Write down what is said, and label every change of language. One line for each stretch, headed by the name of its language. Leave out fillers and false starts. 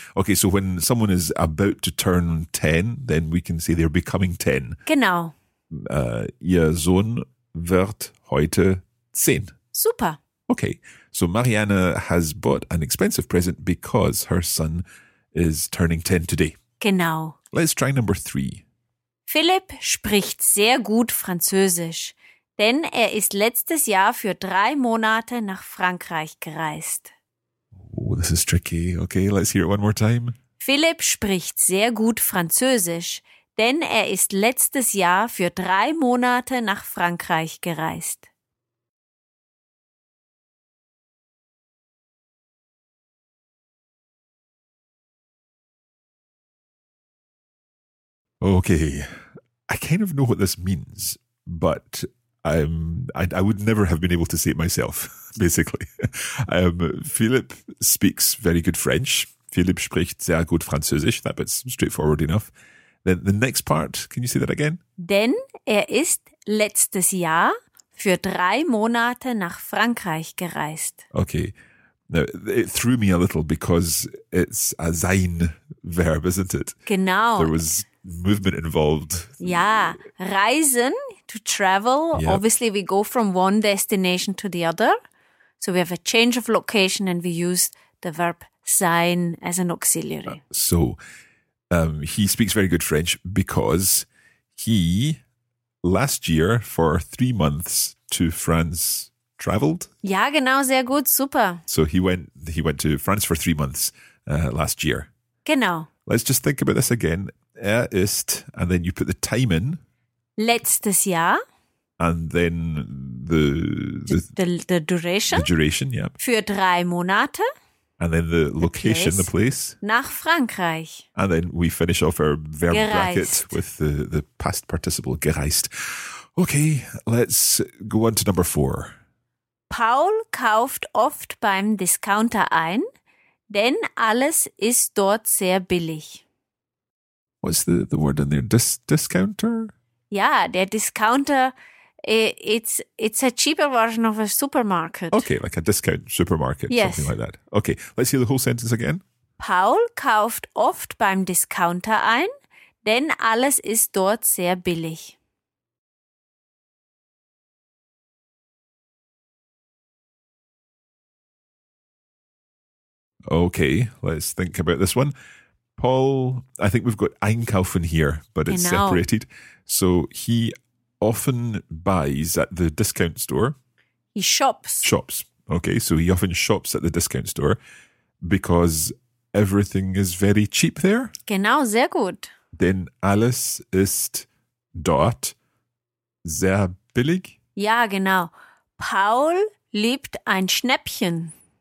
English: Okay, so when someone is about to turn 10, then we can say they're becoming 10.
German: Genau. Ihr Sohn wird heute 10. Super.
English: Okay, so Marianne has bought an expensive present because her son is turning 10 today.
German: Genau.
English: Let's try number 3.
German: Philipp spricht sehr gut Französisch. Denn er ist letztes Jahr für 3 Monate nach Frankreich gereist.
English: Oh, this is tricky. Okay, let's hear it one more time.
German: Philipp spricht sehr gut Französisch, denn er ist letztes Jahr für 3 Monate nach Frankreich gereist.
English: Okay, I kind of know what this means, but I would never have been able to say it myself, basically. Philipp speaks very good French.
German: Philipp spricht sehr gut Französisch.
English: That bit's straightforward enough. Then the next part, can you say that again?
German: Denn er ist letztes Jahr für 3 Monate nach Frankreich gereist.
English: Okay. Now, it threw me a little because it's a sein verb, isn't it?
German: Genau.
English: There was movement involved. Ja, reisen, to travel. Yep. Obviously, we go from one destination to the other. So we have a change of location and we use the verb sein as an auxiliary. He speaks very good French because he, last year, for 3 months to France, traveled.
German: Ja, genau, sehr gut, super.
English: So he went to France for 3 months last year.
German: Genau.
English: Let's just think about this again.
German: Er ist,
English: and then you put the time in.
German: Letztes Jahr.
English: And then the duration. The duration, yeah.
German: Für 3 Monate.
English: And then the location, place. The place.
German: Nach Frankreich.
English: And then we finish off our verb bracket with the past participle, gereist. Okay, let's go on to number 4.
German: Paul kauft oft beim Discounter ein, denn alles ist dort sehr billig.
English: What's the word in there? Discounter? Yeah, der Discounter, it's a cheaper version of a supermarket. Okay, like a discount supermarket, yes. Something like that. Okay, let's hear the whole sentence again.
German: Paul kauft oft beim Discounter ein, denn alles ist dort sehr billig.
English: Okay, let's think about this one. Paul, I think we've got einkaufen here, but it's
German: genau.
English: Separated. So he often buys at the discount store. He shops. Shops. Okay, so he often shops at the discount store because everything is very cheap there.
German: Genau, sehr gut. Denn alles ist dort sehr billig? Ja, genau. Paul liebt ein Schnäppchen.